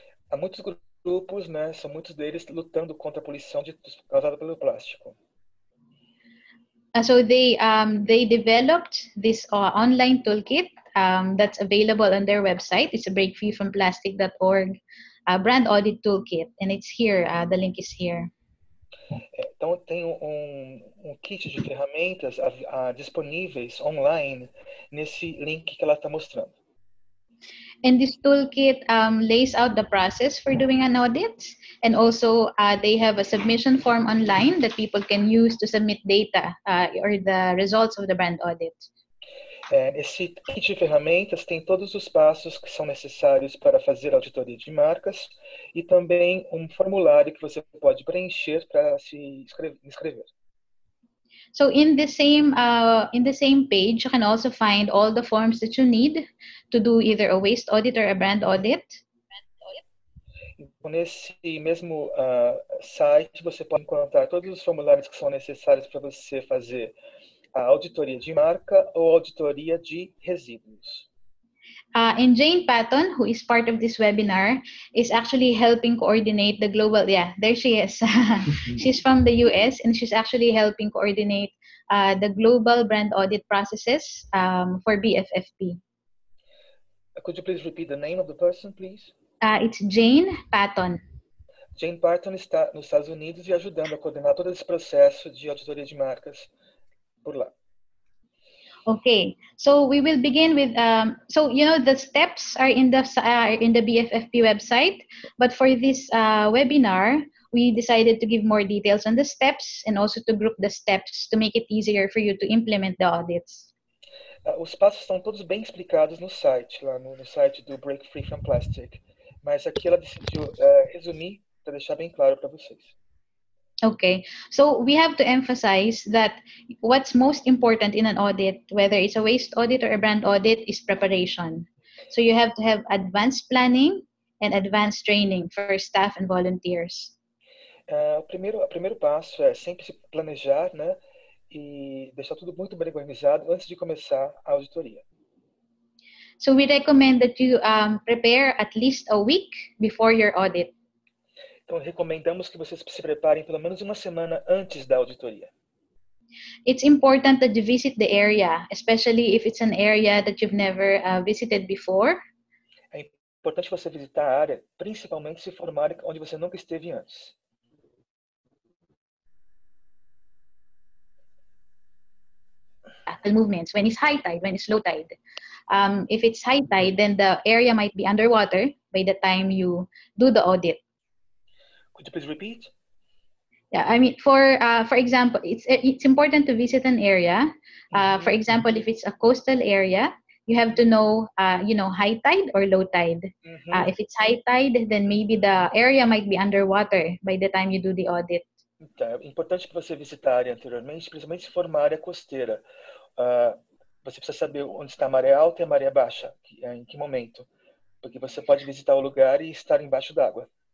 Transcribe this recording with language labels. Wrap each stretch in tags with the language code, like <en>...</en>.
<pt>Há muitos grupos, né? São muitos deles lutando contra a poluição causada pelo plástico.</pt> <en>So they developed this online toolkit that's available on their website. It's a breakfreefromplastic.org brand audit toolkit, and it's here. The link is here.</en> <pt>Então tem um kit de ferramentas disponíveis online nesse link que ela está mostrando.</pt> <en>And this toolkit lays out the process for doing an audit, and also they have a submission form online that people can use to submit data or the results of the brand audit.</en> <pt>Esse kit de ferramentas tem todos os passos que são necessários para fazer auditoria de marcas e também formulário que você pode preencher para se inscrever.</pt> <en>So in the same page, you can also find all the forms that you need to do either a waste audit or a brand audit.</en> <pt>Nesse mesmo site, você pode encontrar todos os formulários que são necessários para você fazer a auditoria de marca ou auditoria de resíduos.</pt> <en>And Jane Patton, who is part of this webinar, is actually helping coordinate the global, yeah, there she is. She's from the US and she's actually helping coordinate the global brand audit processes for BFFP. Could you please repeat the name of the person, please? It's Jane Patton.</en> <pt>Jane Barton está nos Estados Unidos e ajudando a coordenar todo esse processo de auditoria de marcas por lá.</pt> <en>Okay, so we will begin with, so you know the steps are in the BFFP website, but for this webinar, we decided to give more details on the steps and also to group the steps to make it easier for you to implement the audits.</en> <pt>Os passos estão todos bem explicados no site, lá no site do Break Free from Plastic, mas aqui ela decidiu resumir para deixar bem claro para vocês.</pt> <en>Okay, so we have to emphasize that what's most important in an audit, whether it's a waste audit or a brand audit, is preparation. So you have to have advanced planning and advanced training for staff and volunteers.</en> <pt>O primeiro passo é sempre se planejar, né, e deixar tudo muito bem organizado antes de começar a auditoria.</pt> <en>So we recommend that you prepare at least a week before your audit.</en> <pt>Então, recomendamos que vocês se preparem pelo menos uma semana antes da auditoria.</pt> <en>It's important that you visit the area, especially if it's an area that you've never visited before.</en> <pt>É importante você visitar a área, principalmente se for uma área onde você nunca esteve antes.</pt> <en>Movements, when it's high tide, when it's low tide. If it's high tide, then the area might be underwater by the time you do the audit. Could you please repeat? Yeah, I mean, for example, it's important to visit an area. For example, if it's a coastal area, you have to know, high tide or low tide. Mm-hmm. If it's high tide, then maybe the area might be underwater by the time you do the audit.</en> <pt>Então, é importante que você visite a área anteriormente, principalmente se for uma área costeira. Você precisa saber onde está a maré alta e a maré baixa, em que momento. Porque você pode visitar o lugar e estar embaixo d'água.</pt>